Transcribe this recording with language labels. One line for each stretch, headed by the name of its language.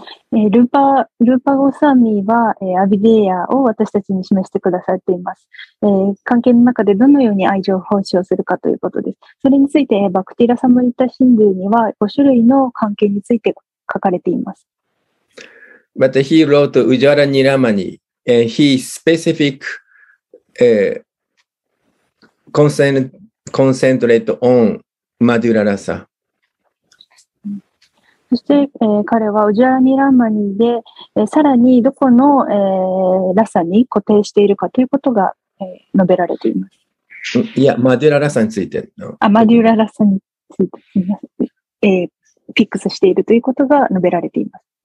Japanese: ルーパゴスワミは、アビデイヤを私たちに示してくださっています。関係の中でどのように愛情を奉仕をするかということです。それについて、バクティラサムリタシンドゥには5種類の関係について書かれています。
English: But he wrote Ujjvala Nilamani and he specific concentrate on Madhura Rasa。
Japanese: そして、彼はウジャラニラマニで、さらにどこの、ラサに固定しているかということが、述べられています。いや、マデュララサについてのマデュララサについて、ピックスしているということが述べられています。